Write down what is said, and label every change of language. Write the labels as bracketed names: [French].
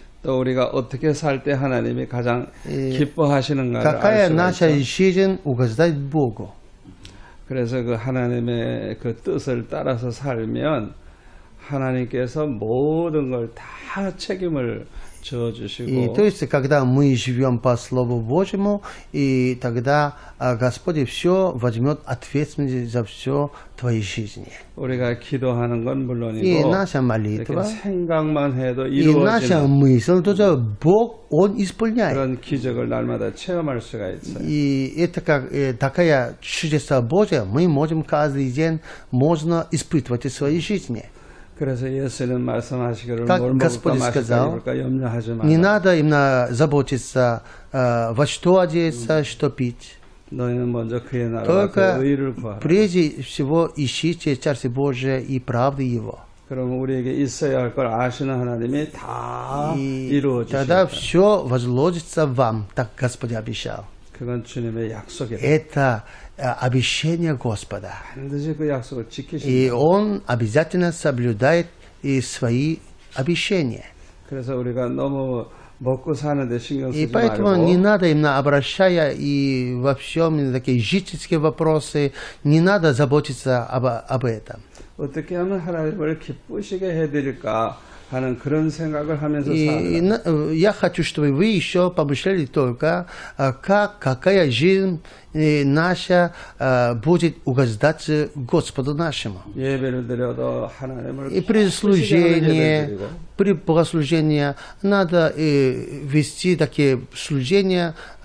[Korean] 또 우리가 어떻게 살 때 하나님이 가장 기뻐하시는가를 알 수가 있어요. 그래서 그 하나님의 그 뜻을 따라서 살면 하나님께서 모든 걸 다 책임을 져 주시고 [Russian] и то есть когда мы живём по слову Божьему и тогда Господь всё возьмёт ответственность за всё твоей жизни. [Korean] 우리가 기도하는 건 물론이고 [Russian] и наша молитва [Korean] 생각만 해도 이루어지는 [Russian] и наша мысль тоже Бог он исполняет. [Korean] 그런 기적을 날마다 체험할 수가 있어요. [Russian] и это как такая чудеса Божьи мы можем каждый день можно испытывать в своей жизни. [Korean] 그래서 예수님 말씀하시기를 뭘 먹을까 마실까 입을까 염려하지 마라. [Russian] Не надо именно заботиться, во что одеться, что пить. [Korean] 너희는 먼저 그의 나라와 그 의를 구하라. [Russian] Прежде всего ищите Царствие Божие и правды Его. [Korean] 그럼 우리에게 있어야 할 걸 아시는 하나님이 다 이루어주실까. [Russian] Тогда все возложится вам, так Господь обещал. [Korean] 그건 주님의 약속이다. [Russian] Это обещание Господа. [Korean] 반드시 그 약속을 지키십니다. [Russian] И он обязательно соблюдает и свои обещания. [Korean] 그래서 우리가 너무 먹고 사는 데 신경 쓰지 [Russian] и поэтому [Korean] 말고. [Russian] Не надо именно обращая и во всем такие житейские вопросы, не надо заботиться об этом. [Korean] 어떻게 하면 하나님을 기쁘시게 해드릴까? 하는 그런 생각을 하면서 [Russian] и, на, я хочу, чтобы вы еще помышляли только, как, какая жизнь наша будет угождаться Господу нашему. И при служении, при богослужении надо вести такие служения